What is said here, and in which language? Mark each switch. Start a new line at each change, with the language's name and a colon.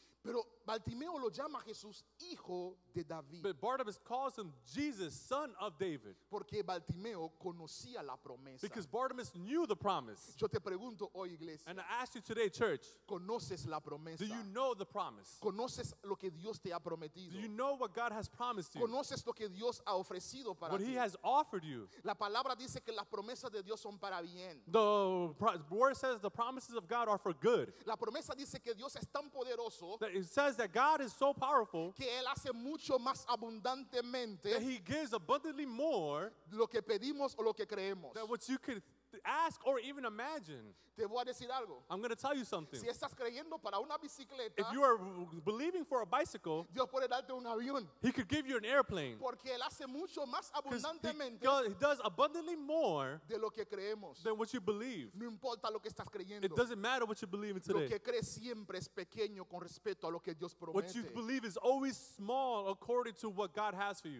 Spanish: Pero Bartimeo lo llama Jesús hijo de David.
English: But Bartimaeus calls him Jesus, son of David.
Spanish: Porque Bartimeo conocía la promesa.
English: Because Bartimaeus knew the promise.
Spanish: Yo te pregunto hoy, iglesia.
English: And I ask you today, church.
Spanish: ¿Conoces la promesa?
English: Do you know the promise?
Spanish: ¿Conoces lo que Dios te ha prometido?
English: Do you know what God has promised you?
Spanish: ¿Conoces lo que Dios ha ofrecido para ti?
English: What he has offered you.
Spanish: La palabra dice que las promesas de Dios son para bien.
English: The word says the promises of God are for good.
Spanish: La promesa dice que Dios es tan poderoso.
English: It says that God is so powerful
Spanish: que él hace mucho más abundantemente
English: that he gives abundantly more
Spanish: lo que pedimos o lo que creemos
English: than what you could ask or even imagine.
Spanish: Te voy a decir algo.
English: I'm going to tell you something.
Spanish: Si estás creyendo para una bicicleta,
English: if you are believing for a bicycle,
Spanish: Dios puede darte un avión.
English: He could give you an airplane.
Spanish: Porque él hace mucho más abundantemente
English: he does abundantly more
Spanish: de lo que creemos.
English: Than what you believe.
Spanish: No importa lo que estás creyendo.
English: It doesn't matter what you believe in today.
Spanish: Lo que crees siempre es pequeño con respecto a lo que Dios promete.
English: What you believe is always small according to what God has for you.